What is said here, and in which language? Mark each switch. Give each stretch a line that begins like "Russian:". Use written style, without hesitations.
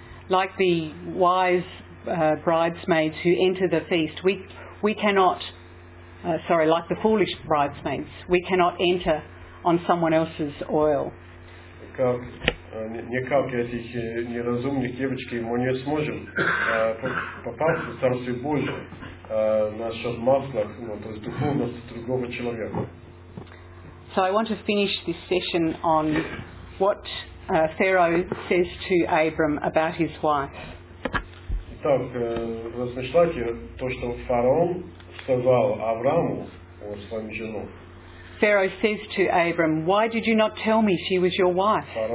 English: Like the wise bridesmaids who enter the feast, like the foolish bridesmaids, we cannot enter on someone else's oil.
Russian: Как не как этих неразумных девочки, мы не сможем попасть в Царствие Божие насчет масла, ну то есть духовности другого человека.
English: So I want to finish this session on what Pharaoh says to Abram about his wife.
Russian: Так, размышляйте то, что фараон сказал Аврааму о своем жену.
English: Pharaoh says to Abram, "Why did you not tell me she was your wife?"